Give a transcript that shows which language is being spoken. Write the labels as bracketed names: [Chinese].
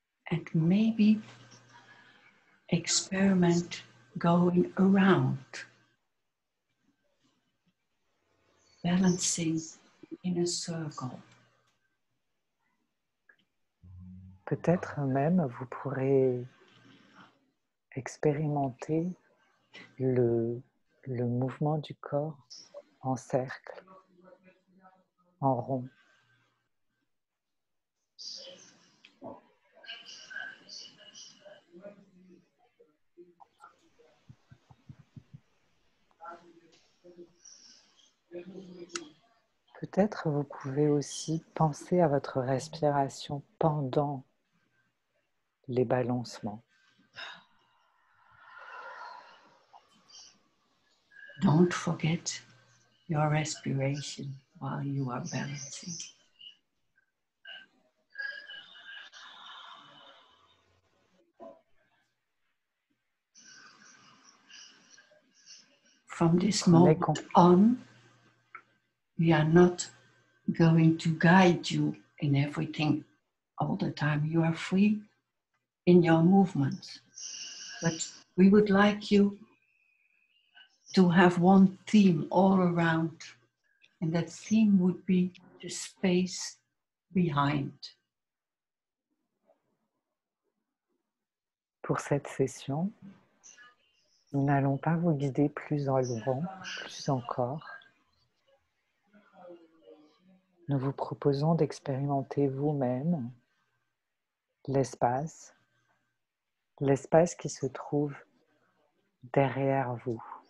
[English] And maybe experiment going around, balancing in a circle. [French] Peut-être même vous pourrez expérimenter le mouvement du corps en cercle, en rond. Peut-être vous pouvez aussi penser à votre respiration pendant les balancements. [English] Don't forget your respiration while you are balancing. From this moment on, we are not going to guide you in everything all the time. You are free in your movements, but we would like you to have one theme all around, and that theme would be the space behind. [French] Pour cette session, nous n'allons pas vous guider plus en long, plus encore. Nous vous proposons d'expérimenter vous-même l'espace qui se trouve derrière vous.